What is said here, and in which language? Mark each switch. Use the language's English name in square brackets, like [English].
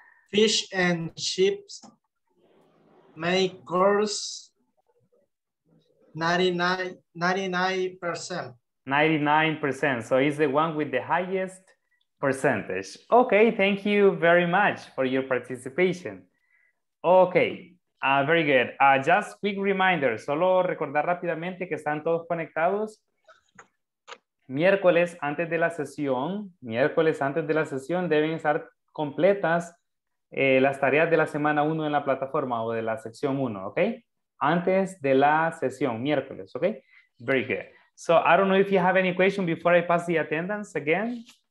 [English] Fish and chips make course 99%. 99%, so it's the one with the highest percentage. Okay, thank you very much for your participation. Okay. Very good. Just quick reminder, [Spanish] solo recordar rápidamente que están todos conectados. Miércoles antes de la sesión, deben estar completas las tareas de la semana 1 en la plataforma o de la sección 1, ¿ok? Antes de la sesión, miércoles, ¿ok? [English] Very good. So I don't know if you have any question before I pass the attendance again.